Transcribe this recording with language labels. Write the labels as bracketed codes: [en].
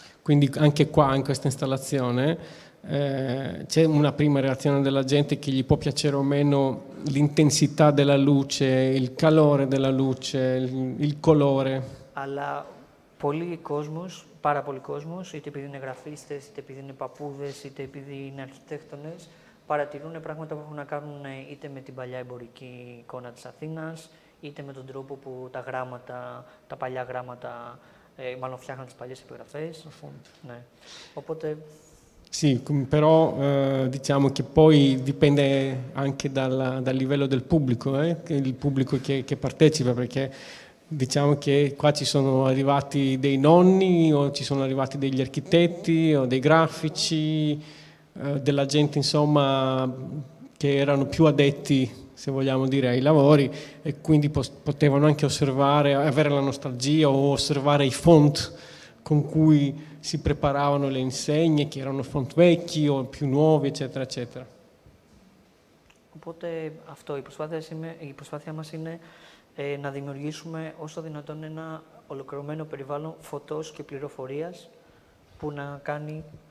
[it] Quindi anche qua, in questa installazione, c'è una prima reazione della gente che gli può piacere o meno l'intensità della luce, il calore della luce, il colore. [el] Αλλά πολλοί κόσμος, πάρα πολλοί κόσμος, είτε επειδή είναι γραφίστες, είτε επειδή είναι παππούδες, είτε επειδή είναι αρχιτέκτονες, παρατηρούν πράγματα που έχουν να κάνουν είτε με την παλιά εμπορική εικόνα της Αθήνας, είτε με τον τρόπο που τα γράμματα, τα παλιά γράμματα, μάλλον φτιάχναν τις παλιές επιγραφές. Ναι. Οπότε... [it] Sì, però diciamo che poi dipende anche dal livello del pubblico, il pubblico che partecipa, perché diciamo che qua ci sono arrivati dei nonni, o ci sono arrivati degli architetti, o dei grafici, della gente, insomma, che erano più addetti, se vogliamo dire, ai lavori e quindi potevano anche osservare, avere la nostalgia o osservare i font con cui si preparavano le insegne, che erano font vecchi o più nuovi, eccetera, eccetera. [el] Οπότε, αυτό, η προσπάθειά μας είναι να δημιουργήσουμε όσο δυνατόν ένα ολοκληρωμένο περιβάλλον φωτός και πληροφορίας που να κάνει.